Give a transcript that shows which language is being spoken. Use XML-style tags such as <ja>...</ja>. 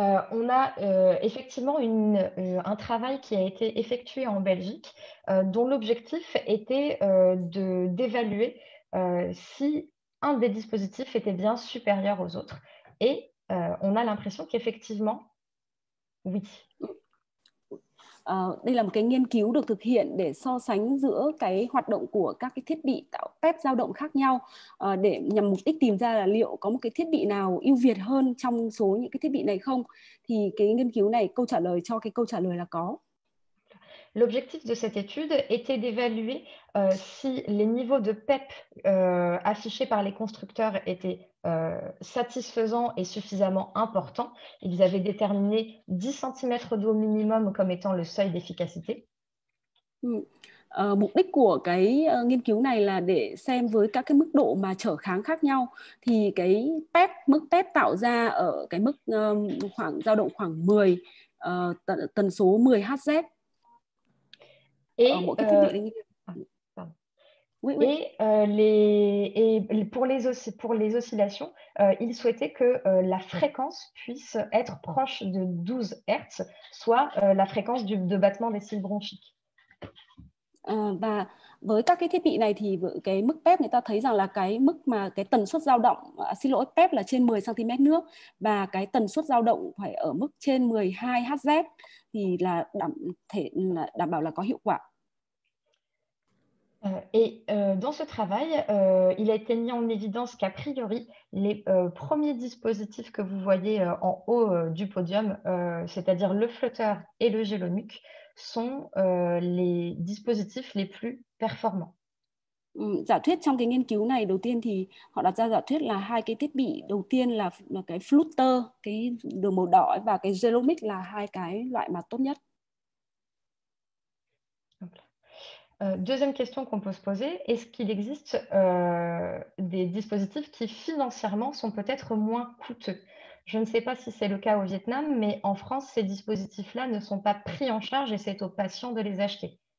<fr>On a effectivement un travail qui a été effectué en Belgique, dont l'objectif était d'évaluer si un des dispositifs était bien supérieur aux autres. Et on a l'impression qu'effectivement, oui.</fr> <vi>Đây là một cái nghiên cứu được thực hiện để so sánh giữa cái hoạt động của các cái thiết bị tạo pep dao động khác nhau để nhằm mục đích tìm ra là liệu có một cái thiết bị nào ưu việt hơn trong số những cái thiết bị này không. Thì cái nghiên cứu này câu trả lời cho cái câu trả lời là có.</vi> <fr>L'objectif de cette étude était d'évaluer si les niveaux de PEP affichés par les constructeurs étaient satisfaisants et suffisamment importants. Ils avaient déterminé 10 cm d'eau minimum comme étant le seuil d'efficacité.</fr> <vi>Mục đích của cái nghiên cứu này là để xem với các cái mức độ mà trở kháng khác nhau thì cái pep mức pep tạo ra ở cái mức khoảng dao động khoảng 10 tần số 10 Hz ở</vi> <fr>Et,</fr> <vi>mỗi cái thiết bị này.</vi> <fr>Oui. pour les oscillations, il souhaitait que la fréquence puisse être proche de 12 Hz, soit la fréquence de battement des cils bronchiques.</fr> <vi>Và với các cái thiết bị này thì cái mức pep người ta thấy rằng là cái mức mà cái tần suất dao động xin lỗi pep là trên 10 cm nước và cái tần suất dao động phải ở mức trên 12 Hz thì là đảm bảo là có hiệu quả.</vi> <fr>Dans ce travail, il a été mis en évidence qu'a priori, les premiers dispositifs que vous voyez en haut du podium, c'est-à-dire le flutter et le Gelonuc, sont les dispositifs les plus performants.</fr> <vi>Giả thuyết trong cái nghiên cứu này đầu tiên thì họ đặt ra giả thuyết là hai cái thiết bị đầu tiên là cái flutter, cái đường màu đỏ và cái genomic là hai cái loại mà tốt nhất.</vi> <fr>Deuxième question qu'on peut se poser, est-ce qu'il existe des dispositifs qui financièrement sont peut-être moins coûteux? Je ne sais pas si c'est le cas au Vietnam, mais en France, ces dispositifs-là ne sont pas pris en charge et c'est aux patients de les acheter.</fr>